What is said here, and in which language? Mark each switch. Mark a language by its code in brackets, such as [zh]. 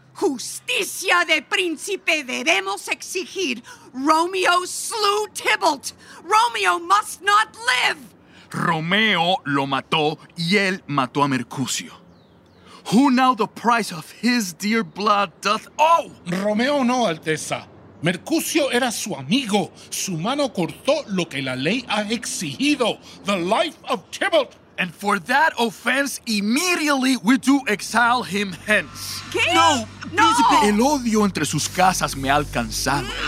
[es] Justicia de príncipe debemos exigir. [en] Romeo slew Tybalt. Romeo must not live. [es] Romeo lo mató y él mató a Mercutio. [en] who now the price of his dear blood doth owe? [es] Romeo no, Alteza. Mercutio era su amigo. Su mano cortó lo que la ley ha exigido. [en] The life of Tybalt. And for that offense, immediately we do exile him hence. [es] ¿Qué? No, no. Príncipe. El odio entre sus casas me ha alcanzado.